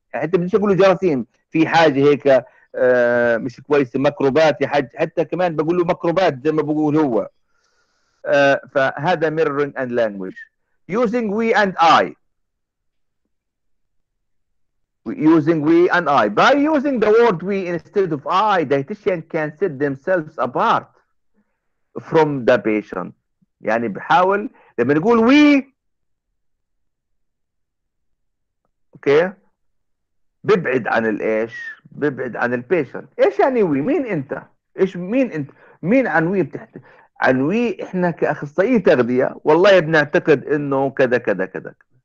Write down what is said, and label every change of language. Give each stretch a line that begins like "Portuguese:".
Arabic: حتى بديش اقول له جراثيم، في حاجه هيك مش كويسه، ميكروبات يا حاج، حتى كمان بقول له ميكروبات زي ما بقول هو.
English: فهذا mirroring and language using we and I, using we and I. By using the word we instead of I, dietitian can set themselves apart from the patient.
Arabic: يعني بحاول لما نقول we okay ببعد عن الايش؟ ببعد عن البيشنت. ايش يعني we؟ مين انت؟ ايش مين انت؟ مين عن we بتحكي؟ عن we احنا كاخصائي تغذيه والله بنعتقد انه كذا كذا كذا.